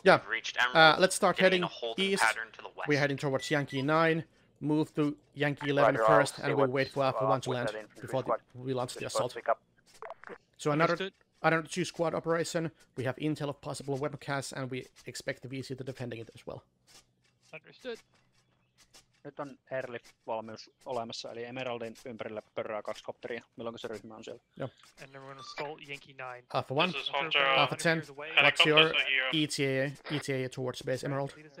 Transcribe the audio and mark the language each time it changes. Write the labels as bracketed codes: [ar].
[en] Yeah, reached let's start heading east. We're heading towards Yankee 9. Move to Yankee 11 Roger, first and we'll wait for Alpha 1 to land before we launch the assault. So another 2 squad operation. We have intel of possible weapon casts and we expect the VC to defending it as well. Understood. [fi] Nyt on airlift-valmius olemassa, eli Emeraldin ympärillä pörrää 2 kopteria, milloin se ryhmä on siellä. Joo. [en] And then we're gonna assault Yankee 9. Alpha 1, Alpha 10, what's your ETA towards base Emerald?